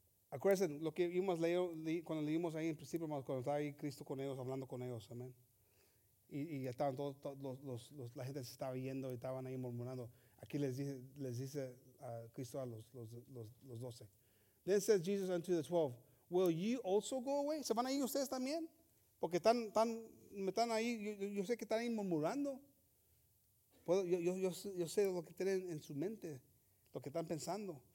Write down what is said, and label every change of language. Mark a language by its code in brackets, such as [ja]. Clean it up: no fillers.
[es] Acuérdense lo que íbamos leyendo cuando leímos ahí en principio, cuando estaba ahí Cristo con ellos, hablando con ellos, amén. Y estaban todos la gente se estaba yendo y estaban ahí murmurando. Aquí les dice Cristo a los 12. [en] Then says Jesus unto the 12, will ye also go away? [es] ¿Se van ahí ustedes también? Porque están me están ahí, yo sé que están ahí murmurando. Yo sé lo que tienen en su mente, lo que están pensando.